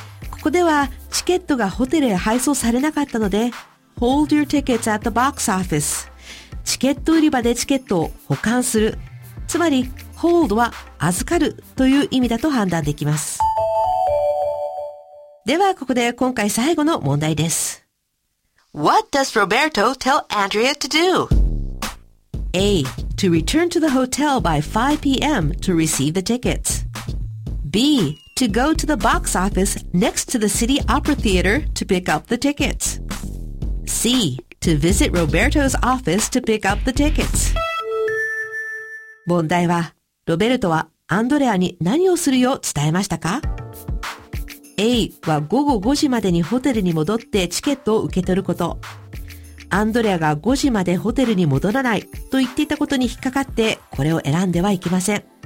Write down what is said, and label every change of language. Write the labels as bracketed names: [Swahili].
[Japanese] ここでは、チケットがホテルへ配送されなかったので、 [English] Hold your tickets at the box office. [Japanese] チケット売り場でチケットを保管する。つまり、hold は預かるという意味だと判断できます。では、ここで今回最後の問題です。 [English] What does Roberto tell Andrea to do? A. To return to the hotel by 5 p.m. to receive the tickets. B. To go to the box office next to the City Opera Theater to pick up the tickets. C. To visit Roberto's office to pick up the tickets. [Japanese] 問題は、ロベルトはアンドレアに何をするよう伝えましたか？ A は午後5時までにホテルに戻ってチケットを受け取ること。アンドレアが5時までホテルに戻らないと言っていたことに引っかかってこれを選んではいけません。